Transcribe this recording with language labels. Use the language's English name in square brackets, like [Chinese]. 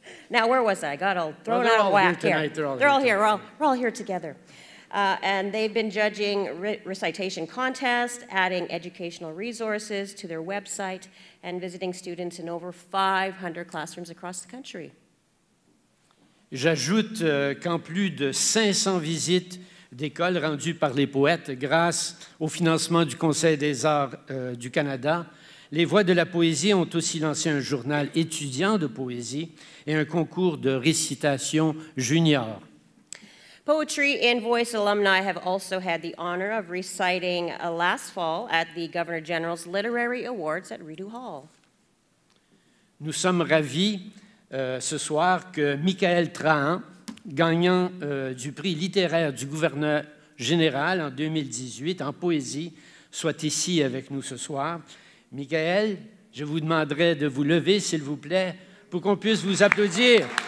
[English] Now, where was I? I got all thrown out of whack here. They're all here together. And they've been judging recitation contests, adding educational resources to their website, and visiting students in over 500 classrooms across the country. [French] J'ajoute qu'en plus de 500 visites d'écoles rendues par les poètes grâce au financement du Conseil des arts du Canada, les Voix de la poésie ont aussi lancé un journal étudiant de poésie et un concours de récitation junior. [English] Poetry and Voice alumni have also had the honor of reciting last fall at the Governor General's Literary Awards at Rideau Hall. [French] Nous sommes ravis ce soir que Michael Trahan, gagnant du prix littéraire du gouverneur général en 2018 en poésie, soit ici avec nous ce soir. Michael, je vous demanderai de vous lever, s'il vous plaît, pour qu'on puisse vous applaudir.